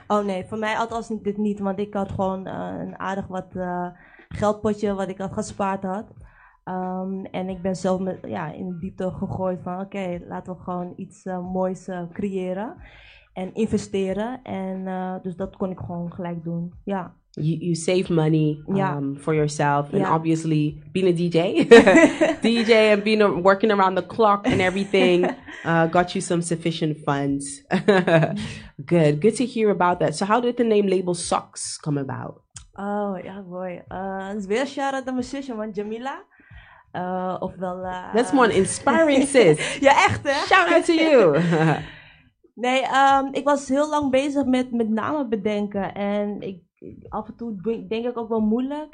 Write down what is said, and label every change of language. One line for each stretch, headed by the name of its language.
Dutch: Oh nee, voor mij althans dit niet. Want ik had gewoon een aardig wat geldpotje wat ik had gespaard had. En ik ben zelf in de diepte gegooid van oké, laten we gewoon iets moois creëren en investeren. En dus dat kon ik gewoon gelijk doen, ja.
English: You save money for yourself, and obviously being a DJ, DJ and being working around the clock and everything got you some sufficient funds. good to hear about that. So how did the name Label Socks come about?
Dutch: Oh, ja, boy. Het is weer shout-out aan mijn zusje, man, Jamila. Ofwel...
English: That's more an inspiring sis.
Dutch: Ja, echt, hè?
English: Shout out to you.
Dutch: Nee, ik was heel lang bezig met namen bedenken. En ik, af en toe denk ik ook wel moeilijk.